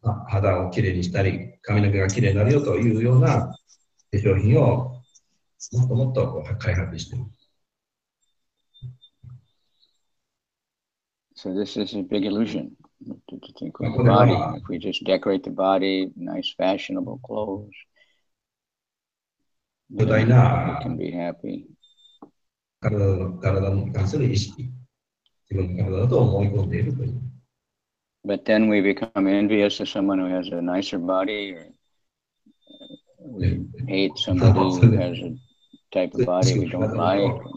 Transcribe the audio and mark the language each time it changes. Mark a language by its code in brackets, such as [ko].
[ja] 肌をきれいにしたり、髪の毛がきれいになるよというような化粧品をもっともっとこう開発しています。 [en] So this is a big illusion to think of the body. If we just decorate the body, nice fashionable clothes, then we can be happy. [ja] 体に関する意識、自分の体だと思い込んでいるという。 [en] But then we become envious of someone who has a nicer body, or we hate somebody who has a type of body we don't like.